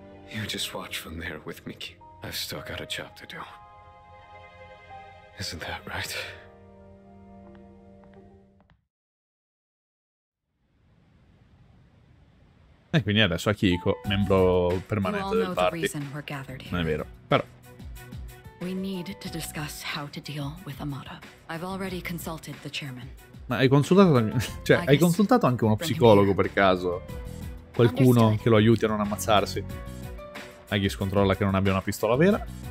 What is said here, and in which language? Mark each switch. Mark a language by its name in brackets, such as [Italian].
[English] You just watch from there with Miki. I've still got a job to do. Isn't that right? [Italian] E quindi adesso Akiko, membro permanente del party. Non è vero, però. [English] We need to discuss how to deal with Amada. I've already consulted the chairman. [Italian] Ma hai consultato, cioè, hai consultato anche uno psicologo per caso? Qualcuno che lo aiuti a non ammazzarsi? Agis controlla che non abbia una pistola vera.